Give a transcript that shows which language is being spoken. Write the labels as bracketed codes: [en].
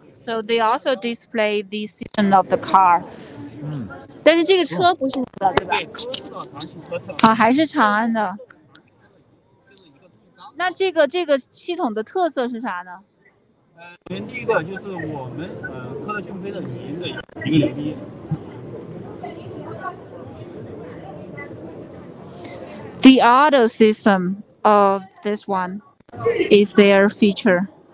[en] So they also display the system of the car. [zh] 但是这个车不是你的对吧? 还是长安的。那这个系统的特色是啥呢? 第一个就是我们科特讯飞的语音的一个 [en] The auto system of this one is their feature.